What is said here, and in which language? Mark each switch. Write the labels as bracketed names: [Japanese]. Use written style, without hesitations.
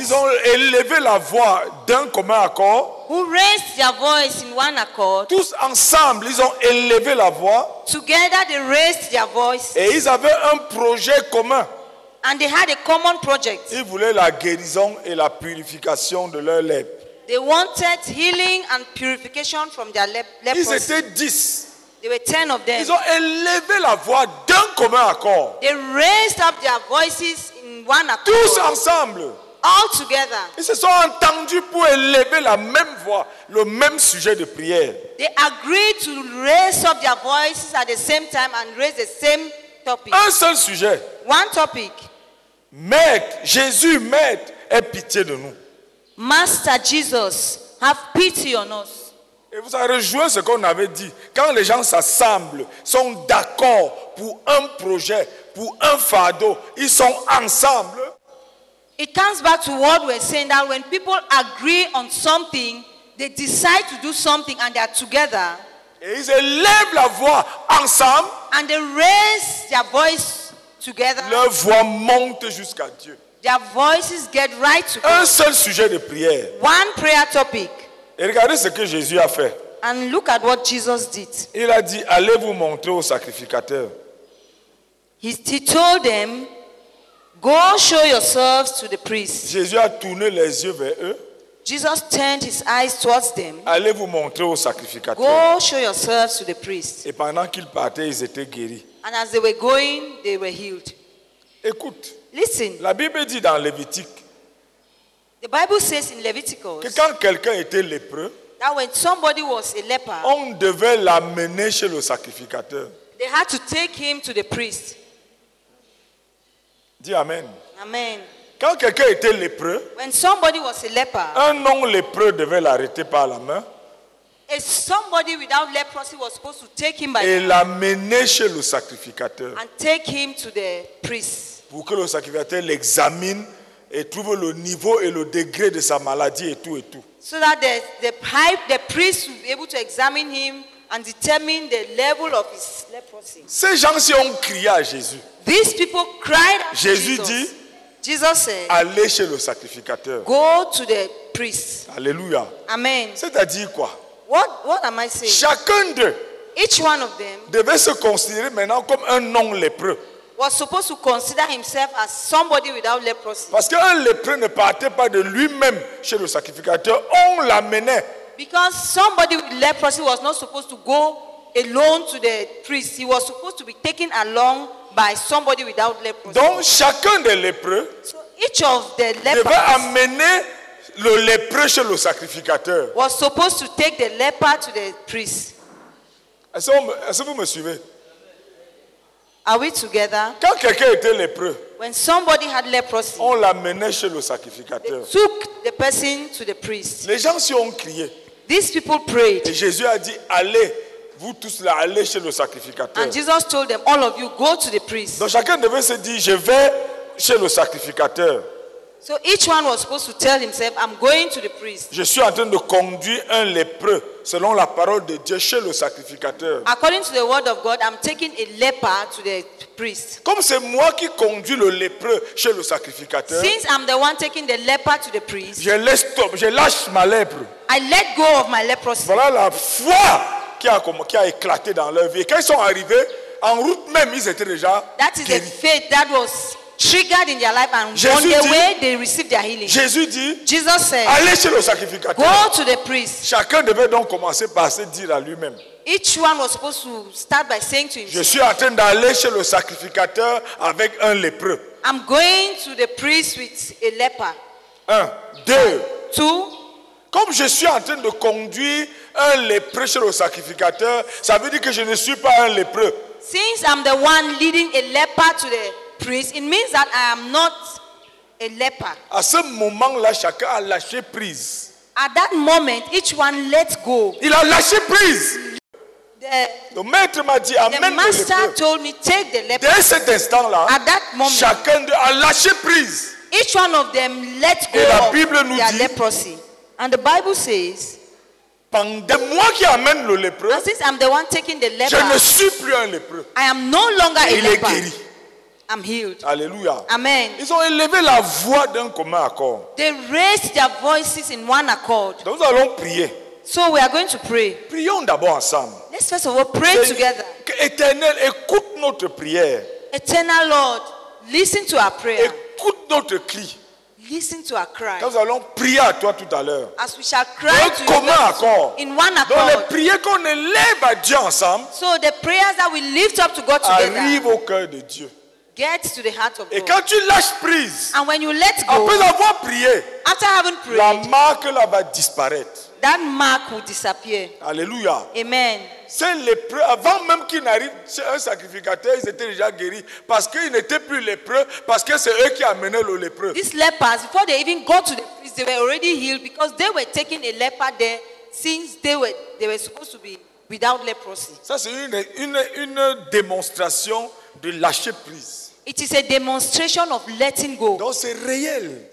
[French] Ils ont élevé la voix d'un commun accord. [English] Who raised their voice in one accord. [French] Tous ensemble, ils ont élevé la voix. [English] Together they raised their voice. [French] Et ils avaient un projet commun. [English] And they had a common project. [French] Ils voulaient la guérison et la purification de leur lèpre. [English] They wanted healing and purification from their leprosy. [French] Ils étaient 10. [English] There were 10 of them. [French] Ils ont élevé la voix d'un commun accord. [English] They raised up their voices in one accord. [French] Tous ensemble. [English] All together. [French] Ils se sont entendus pour élever la même voix, le même sujet de prière. [English] They agreed to raise up their voices at the same time and raise the same topic. [French] Un seul sujet. [English] One topic. [French] Maître, Jésus, Maître, aie pitié de nous. [English] Master Jesus, have pity on us. [French] Et vous avez rejoint ce qu'on avait dit. Quand les gens s'assemblent, sont d'accord pour un projet, pour un fardeau, ils sont ensemble. [English] It comes back to what we're saying, that when people agree on something, they decide to do something and they are together. [French] Et ils élèvent la voix ensemble. [English] And they raise their voice together. [French] Leur voix monte jusqu'à Dieu. [English] Their voices get right to God. [French] Un seul sujet de prière. [English] One prayer topic. [French] Et regardez ce que Jésus a fait. [English] And look at what Jesus did. [French] Il a dit, allez vous montrer au sacrificateur. [English] He told them, go show yourselves to the priest. [French] Jésus a tourné les yeux vers eux. [English] Jesus turned his eyes towards them. [French] Allez vous montrer au sacrificateur. [English] Go show yourselves to the priest. [French] Et pendant qu'ils partaient, ils étaient guéris. [English] And as they were going, they were healed. [French] Écoute. [English] Listen. [French] La Bible dit dans Lévitique. [English] The Bible says in Leviticus. [French] Que quand quelqu'un était lépreux. [English] That when somebody was a leper. [French] On devait l'amener chez le sacrificateur. [English] They had to take him to the priest. [French] Dis amen. [English] Amen. [French] Quand quelqu'un était lépreux, [English] when somebody was a leper, [French] un non-lépreux devait l'arrêter par la main [English] and somebody without leprosy was supposed to take him by [French] et l'amener chez le sacrificateur. [English] And take him to the priest. [French] pour que le sacrificateur l'examine et trouve le niveau et le degré de sa maladie et tout et tout. [English] So that the priest will be able to examine him and determine the level of his leprosy. [French] Ces gens-ci ont crié à Jésus. [English] These people cried at [French] Jésus [English] Jesus. [French] Dit, [English] Jesus said, [French] allez chez le sacrificateur. [English] Go to the priest. [French] Alléluia. [English] Amen. [French] C'est-à-dire quoi? [English] What am I saying? [French] Chacun d'eux [English] Each one of them [French] devait se considérer maintenant comme un non-lépreux. [English] Was supposed to consider himself as somebody without leprosy. [French] Parce qu'un lépreux ne partait pas de lui-même chez le sacrificateur. On l'amenait. [English] Because somebody with leprosy was not supposed to go alone to the priest. He was supposed to be taken along by somebody without leprosy. [French] Donc chacun des lépreux [English] so each of the lepers [French] devait amener le lépreux chez le sacrificateur. [English] Was supposed to take the leper to the priest. [French] Est-ce que vous me suivez? [English] Are we together? [French] Quand quelqu'un était lépreux, [English] when somebody had leprosy, [French] on l'amenait chez le sacrificateur. [English] They took the person to the priest. [French] Les gens s'y ont crié. [English] These people prayed. [French] Et Jésus a dit, allez, vous tous là, allez chez le sacrificateur. [English] And Jesus told them, all of you, go to the priest. [French] Donc chacun devait se dire, je vais chez le sacrificateur. [English] So each one was supposed to tell himself, I'm going to the priest. [French] Je suis en train de conduire un lépreux selon la parole de Dieu chez le sacrificateur. [English] According to the word of God, I'm taking a leper to the priest. [French] Comme c'est moi qui conduis le lépreux chez le sacrificateur. [English] Since I'm the one taking the leper to the priest. [French] Je lâche ma lèpre. [English] I let go of my leprosy. [French] Voilà la foi qui a éclaté dans leur vie. Quand ils sont arrivés, en route même, ils étaient déjà [English] That is [French] guéris. [English] The faith that was triggered in their life and [French] Jésus [English] on [French] dit, [English] the way they received their healing. [French] Jésus dit, [English] Jesus said, [French] allez chez le sacrificateur. [English] Go to the priest. [French] Chacun devait donc commencer par se dire à lui-même. [English] Each one was supposed to start by saying to himself, [French] je suis en train d'aller chez le sacrificateur avec un lépreux. [English] I'm going to the priest with a leper. [French] Un, deux. [English] Two. [French] Comme je suis en train de conduire un lépreux chez le sacrificateur, ça veut dire que je ne suis pas un lépreux. [English] Since I'm the one leading a leper to the priest, it means that I am not a leper. [French] À ce moment-là, chacun a lâché prise. [English] At that moment, each one let go. [French] Il a lâché prise. Le maître m'a dit, amène le lépreux. [English] Told me, take the leper. [French] Dès cet instant-là, [English] at that moment, [French] chacun a lâché prise. [English] Each one of them let go. [French] Et la Bible nous [English] their [French] dit, [English] leprosy. And the Bible says, [French] pendant moi qui amène le lépreux, [English] and since I'm the one taking the leper, [French] je ne suis plus un lépreux. [English] I am no longer [French] Et [English] a leper. [French] Il est guéri. [English] I'm healed. [French] Alléluia. [English] Amen. [French] Ils ont élevé la voix d'un commun accord. [English] They raised their voices in one accord. [French] Donc nous allons prier. [English] So we are going to pray. [French] Prions d'abord ensemble. [English] Let's first of all pray [French] Que [English] together. [French] Éternel, écoute notre prière. [English] Eternal Lord, listen to our prayer. [French] Écoute notre cri. [English] Listen to our cry. [French] Quand nous allons prier à toi tout à l'heure. [English] As we shall cry [French] Un commun accord. [English] In one accord. [French] Donc les prières qu'on élève à Dieu ensemble. [English] So the prayers that we lift up to God together. [French] Arrive au cœur de Dieu. [English] Get to the heart of God. [French] Et quand tu lâches prise. [English] And when you let go. [French] Après avoir prié. [English] After having prayed. [French] La marque là va disparaître. [English] That mark will disappear. [French] Alléluia. [English] Amen. [French] C'est lépreux. Avant même qu'ils n'arrivent chez un sacrificateur, ils étaient déjà guéris. Parce qu'ils n'étaient plus lépreux. Parce que c'est eux qui amenaient le lépreux. [English] These lepers, before they even go to the priest, they were already healed because they were taking a leper there since they were supposed to be without leprosy. [French] Ça c'est une démonstration de lâcher prise. [English] It is a demonstration of letting go. [French] Donc c'est réel.